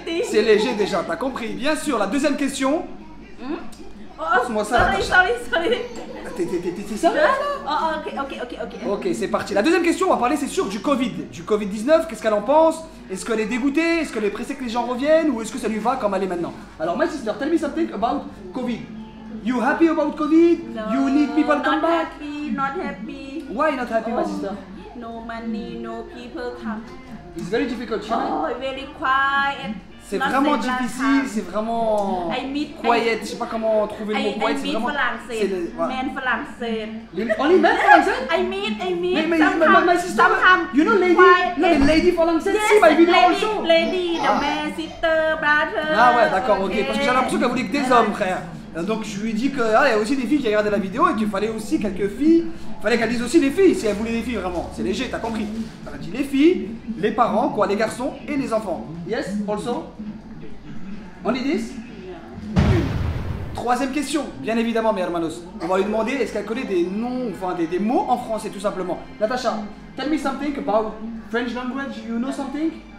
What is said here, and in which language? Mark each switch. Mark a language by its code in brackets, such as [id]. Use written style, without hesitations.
[fr] C'est léger déjà, t'as compris. Bien sûr, la deuxième question. Pose-moi ça. T'es ça? Ok. Ok, c'est parti. La deuxième question, on va parler, c'est sûr, du Covid. Du Covid-19, qu'est-ce qu'elle en pense? Est-ce qu'elle est dégoûtée? Est-ce qu'elle est pressée que les gens reviennent? Ou est-ce que ça lui va comme elle est maintenant? [en] Alors, my sister, tell me something about Covid. You happy about Covid? No, you need people to come back? Not happy. Why not happy, my sister? No money, no people come. It's very difficult, China. Oh, very quiet. [fr] C'est vraiment difficile, c'est vraiment quiet, je sais pas comment trouver le mot quiet, c'est vraiment... [en] I meet men for lancet. You know lady? [fr] Non mais [en] lady for lancet, si, my video also. Lady, the man, sister, brother. [fr] Ah ouais, d'accord, ok, parce que j'ai l'impression qu'elle voulait que des hommes, frère. Donc je lui ai dit qu'il y a aussi des filles qui regardaient la vidéo et qu'il fallait aussi quelques filles. Il fallait qu'elle dise aussi les filles, si elle voulait des filles vraiment. C'est léger, t'as compris. Elle a dit les filles, les parents, quoi, les garçons et les enfants. [en] Yes, also. Only this. [fr] Troisième question, bien évidemment, mes hermanos. On va lui demander, est-ce qu'elle connaît des noms, enfin des mots en français tout simplement. [en] Natacha, tell me something about French language, you know something?